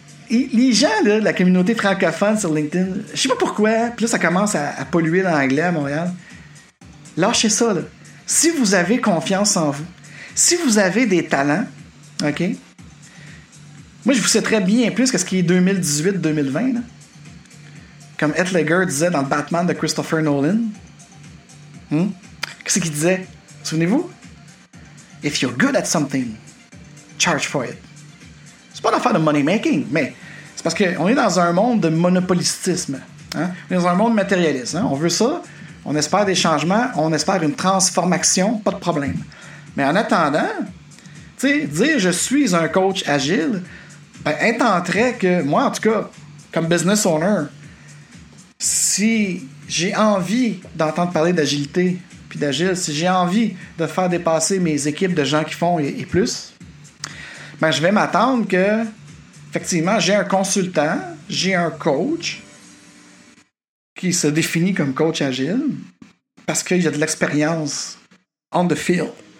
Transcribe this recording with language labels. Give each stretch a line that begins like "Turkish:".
French: Et les gens, là, de la communauté francophone sur LinkedIn, je sais pas pourquoi, puis là, ça commence à polluer l'anglais à Montréal. Lâchez ça, là. Si vous avez confiance en vous, si vous avez des talents, OK? Moi, je vous souhaiterais bien plus que ce qui est 2018-2020, là. Comme Heath Ledger disait dans Batman de Christopher Nolan. Qu'est-ce qu'il disait? Souvenez-vous,
English: if you're good at something, charge for it.
French: C'est pas l'affaire de
English: money making,
French: mais c'est parce qu'on est dans un monde de monopolistisme. Hein? On est dans un monde matérialiste. Hein? On veut ça, on espère des changements, on espère une transformation, pas de problème. Mais en attendant, tu sais, dire je suis un coach agile, ben, intenterait que moi, en tout cas, comme business owner, si j'ai envie d'entendre parler d'agilité, puis d'agile, si j'ai envie de faire dépasser mes équipes de gens qui font et plus, ben je vais m'attendre que, effectivement, j'ai un consultant, j'ai un coach qui se définit comme coach agile parce qu'il y a de l'expérience
English: on the field.